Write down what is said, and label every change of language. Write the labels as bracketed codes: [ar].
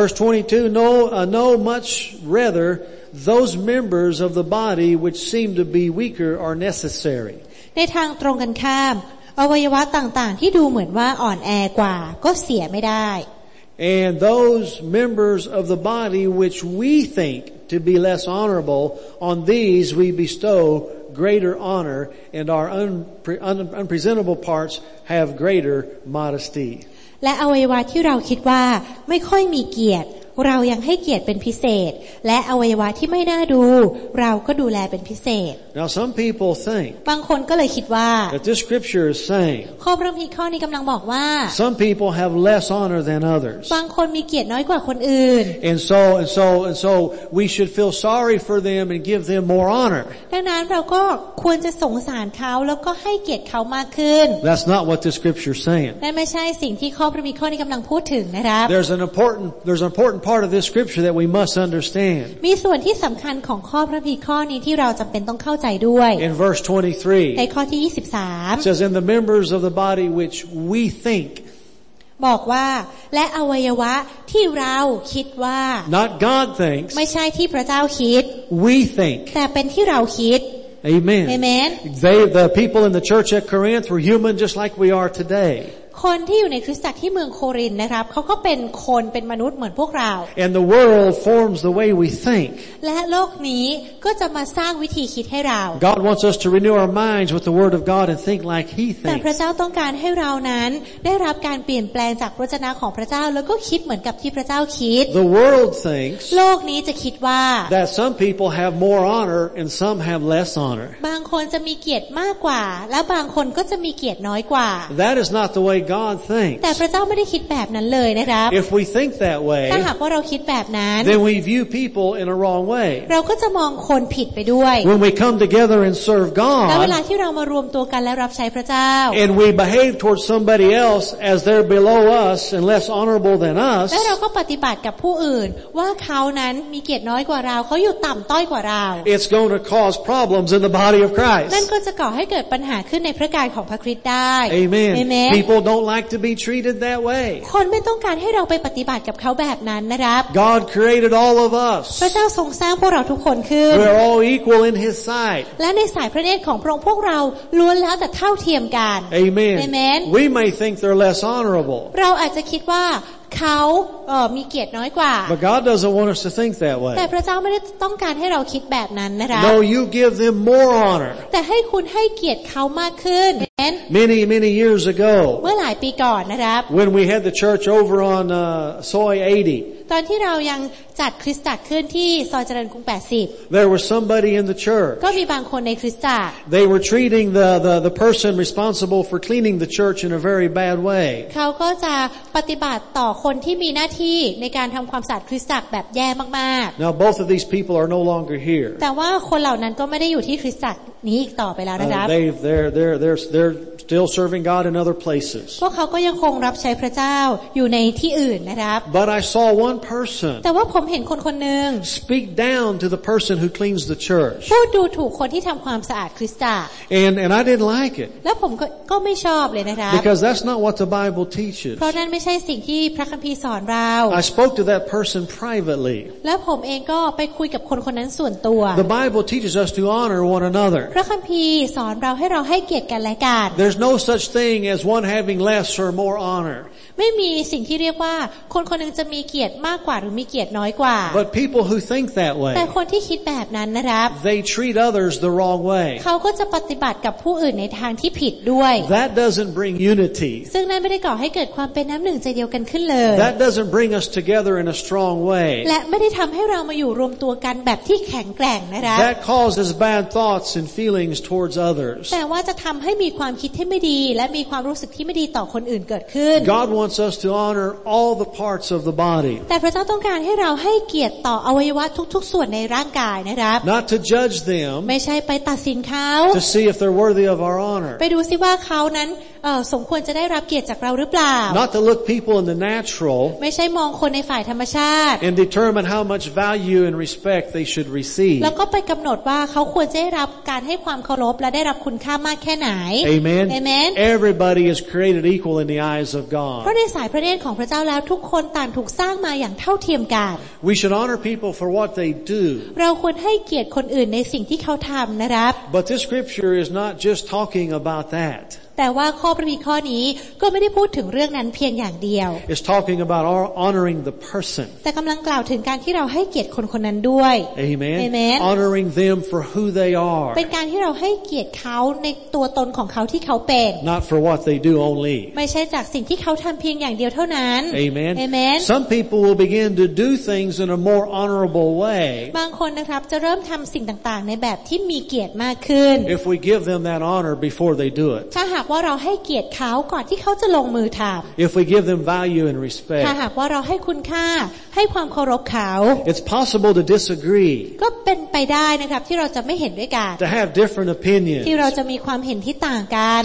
[en] Verse 22 know much rather those members of the body which seem to be weaker are necessary [th] ในทางตรงกันข้ามอวัยวะต่างๆที่ดูเหมือนว่าอ่อนแอกว่าก็เสียไม่ได้ [en] and those members of the body which we think to be less honorable on these we bestow greater honor and our unpresentable parts have greater modesty [th] และอวัยวะที่เราคิดว่าไม่ค่อยมีเกียรติเรายังให้เกียรติเป็นพิเศษและอวัยวะที่ไม่น่าดูเราก็ดูแลเป็นพิเศษ [en] Now some people think [th] บางคนก็เลยคิดว่า [en] That this scripture is saying [th] ข้อพระคัมภีร์ข้อนี้กำลังบอกว่า [en] Some people have less honor than others [th] บางคนมีเกียรติน้อยกว่าคนอื่น [en] And so we should feel sorry for them and give them more honor [th] ดังนั้นเราก็ควรจะสงสารเขาแล้วก็ให้เกียรติเขามากขึ้น [en] That's not what this scripture is saying [th] และไม่ใช่สิ่งที่ข้อพระคัมภีร์ข้อนี้กำลังพูดถึงนะครับ [en] There's an important part of this scripture that we must understand. [th] มีส่วนที่สำคัญของข้อพระคัมภีร์ข้อนี้ที่เราจำเป็นต้องเข้าใจด้วย [en] In verse 23. [th] ในข้อที่23. [en] It says in the members of the body which we think. [th] บอกว่าและอวัยวะที่เราคิดว่า [en] Not God thinks. [th] ไม่ใช่ที่พระเจ้าคิด [en] We think. [th] แต่เป็นที่เราคิด [en] Amen. Amen. The people in the church at Corinth were human just like we are today. [th] คนที่อยู่ในคริสตจักรที่เมืองโครินธ์นะครับเขาก็เป็นคนเป็นมนุษย์เหมือนพวกเรา [en] And the world forms the way we think. [th] และโลกนี้ก็จะมาสร้างวิธีคิดให้เรา [en] God wants us to renew our minds with the word of God and think like he thinks. [th] แต่พระเจ้าต้องการให้เรานั้นได้รับการเปลี่ยนแปลงจากพระวจนะของพระเจ้าแล้วก็คิดเหมือนกับที่พระเจ้าคิด [en] The world thinks. [th] โลกนี้จะคิดว่า [en] That some people have more honor and some have less honor. [th] บางคนจะมีเกียรติมากกว่าและบางคนก็จะมีเกียรติน้อยกว่า [en] That is not the wayGod thinks. [th] แต่พระเจ้าไม่ได้คิดแบบนั้นเลยนะครับ [en] If we think that way, [th] ถ้าหากว่าเราคิดแบบนั้น [en] then we view people in a wrong way. [th] เราก็จะมองคนผิดไปด้วย [en] When we come together and serve God, [th] แล้วเวลาที่เรามารวมตัวกันและรับใช้พระเจ้า [en] and we behave towards somebody else as they're below us and less honorable than us, [th] แล้วเราก็ปฏิบัติกับผู้อื่นว่าเขานั้นมีเกียรติน้อยกว่าเราเขาอยู่ต่ำต้อยกว่าเรา [en] It's going to cause problems in the body of Christ. [th] นั่นก็จะก่อให้เกิดปัญหาขึ้นในพระกายของพระคริสต์ได้ [en] Amen. Amen. People don'tlike to be treated that way. [th] คนไม่ต้องการให้เราไปปฏิบัติกับเขาแบบนั้นนะครับ [en] God created all of us. [th] พระเจ้าทรงสร้างพวกเราทุกคนขึ้น [en] We are all equal in his sight. [th] และในสายพระเนตรของพระองค์พวกเราล้วนแล้วแต่เท่าเทียมกัน [en] Amen. Amen. We may think they're less honorable. [th] เราอาจจะคิดว่าเขามีเกียรติน้อยกว่า [en] But God doesn't want us to think that way. [th] แต่พระเจ้าไม่ได้ต้องการให้เราคิดแบบนั้นนะครับ [en] No, you give them more honor. [th] แต่ให้คุณให้เกียรติเขามากขึ้น [en] Many, many years ago. [th] เมื่อหลายปีก่อนนะครับ [en] When we had the church over on Soy 80. [th] ตอนที่เรายังจัดคริสตจักรขึ้นที่ซอยเจริญกรุง80. [en] There was somebody in the church. [th] ก็มีบางคนในคริสตจักร [en] They were treating the person responsible for cleaning the church in a very bad way. [th] เขาก็จะปฏิบัติต่อคนที่มีหน้าที่ในการทำความสะอาดคริสตจักรแบบแย่มาก [en] ๆ Now both of these people are no longer here. [th] แต่ว่าคนเหล่านั้นก็ไม่ได้อยู่ที่คริสตจักรนี้อีกต่อไปแล้วนะครับ [en] They're still serving God in other places. [th] พวกเขาก็ยังคงรับใช้พระเจ้าอยู่ในที่อื่นนะครับ [en] But I saw one person. [th] แต่ว่าผมเห็นคนคนนึง [en] Speak down to the person who cleans the church. [th] พูดดูถูกคนที่ทำความสะอาดคริสตจักร [en] And I didn't like it. [th] แล้วผมก็ไม่ชอบเลยนะครับ [en] Because that's not what the Bible teaches. [th] เพราะนั้นไม่ใช่สิ่งที่พระคัมภีร์สอนเรา [en] I spoke to that person privately. [th] และผมเองก็ไปคุยกับคนคนนั้นส่วนตัว [en] The Bible teaches us to honor one another. [th] พระคัมภีร์สอนเราให้เราให้เกียรติกันและกัน [en] There's no such thing as one having less or more honor. [th] ไม่มีสิ่งที่เรียกว่าคนคนนึงจะมีเกียรติมากกว่าหรือมีเกียรติน้อยกว่า [en] But people who think that way [th] แต่คนที่คิดแบบนั้นนะครับ [en] They treat others the wrong way [th] เขาก็จะปฏิบัติกับผู้อื่นในทางที่ผิดด้วย [en] That doesn't bring unity [th] ซึ่งนั้นไม่ได้ก่อให้เกิดความเป็นน้ำหนึ่งใจเดียวกันขึ้นเลย [en] That doesn't bring us together in a strong way [th] และไม่ได้ทำให้เรามาอยู่รวมตัวกันแบบที่แข็งแกร่งนะครับ [en] That causes bad thoughts and feelings towards others [th] แต่ว่าจะทำให้มีความคิดที่ไม่ดีและมีความรู้สึกที่ไม่ดีต่อคนอื่นเกิดขึ้น [en] God wants us to honor all the parts of the body [th] แต่พระเจ้าต้องการให้เราให้เกียรติต่ออวัยวะทุกๆส่วนในร่างกายนะครับ [en] Not to judge them [th] ไม่ใช่ไปตัดสินเขา [en] To see if they're worthy of our honor [th] ไปดูซิว่าเขานั้นสมควรจะได้รับเกียรติจากเราหรือเปล่า [en] Not to look people in the natural [th] ไม่ใช่มองคนในฝ่ายธรรมชาติ [en] And determine how much value and respect they should receive [th] แล้วก็ไปกำหนดว่าเขาควรจะได้รับการให้ความเคารพและได้รับคุณค่ามากแค่ไหน [en] Amen Amen Everybody is created equal in the eyes of God [th] เพราะในสายพระเนตรของพระเจ้าแล้วทุกคนต่างถูกสร้างมาอย่างเท่าเทียมกัน [en] We should honor people for what they do [th] เราควรให้เกียรติคนอื่นในสิ่งที่เขาทำนะครับ [en] But this scripture is not just talking about that [th] แต่ว่าข้อพระคัมภีร์ข้อนี้ก็ไม่ได้พูดถึงเรื่องนั้นเพียงอย่างเดียว [en] It's talking about our honoring the person [th] แต่กำลังกล่าวถึงการที่เราให้เกียรติคนคนนั้นด้วย [en] Amen. Amen Honoring them for who they are [th] เป็นการที่เราให้เกียรติเขาในตัวตนของเขาที่เขาเป็น [en] Not for what they do only [th] ไม่ใช่จากสิ่งที่เขาทำเพียงอย่างเดียวเท่านั้น [en] Amen. Amen Some people will begin to do things in a more honorable way [th] บางคนนะครับจะเริ่มทำสิ่งต่างๆในแบบที่มีเกียรติมากขึ้น [en] If we give them that honor before they do it [th] ถ้าหากว่าเราให้เกียรติเขาก่อนที่เขาจะลงมือทำ [en] If we give them value and respect [th] ถ้าหากว่าเราให้คุณค่าให้ความเคารพเขา [en] It's possible to disagree [th] ก็เป็นไปได้นะครับที่เราจะไม่เห็นด้วยกัน [en] To have different opinions [th] ที่เราจะมีความเห็นที่ต่างกัน